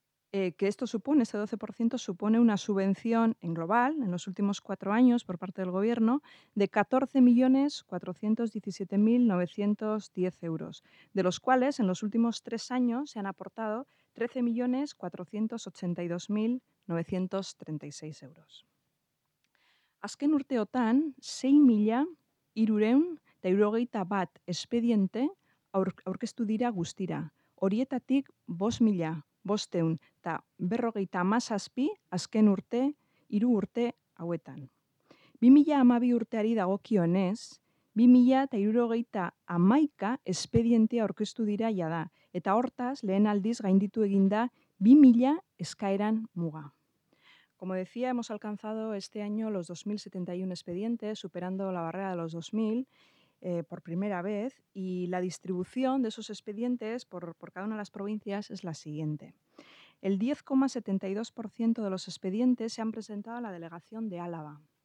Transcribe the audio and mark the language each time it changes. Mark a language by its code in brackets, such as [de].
[es] que esto supone, ese 12%, supone una subvención en global en los últimos 4 años por parte del gobierno de 14.417.910 euros, de los cuales en los últimos 3 años se han aportado 13.482.936 euros. [eu] Azken urteotan, 6.361 espediente aurkeztu dira guztira, horietatik 5.547 azken urte, 3 urte hauetan. 2012 urteari dagokionez, 2.611 espediente aurkeztu dira jada, eta hortaz lehen aldiz gainditu eginda 2.000 eskaeran muga. [es] Como decía, hemos alcanzado este año los 2.071 expedientes, superando la barrera de los 2.000 por primera vez, y la distribución de esos expedientes por cada una de las provincias es la siguiente. El 10,72% de los expedientes se han presentado a la delegación de Álava.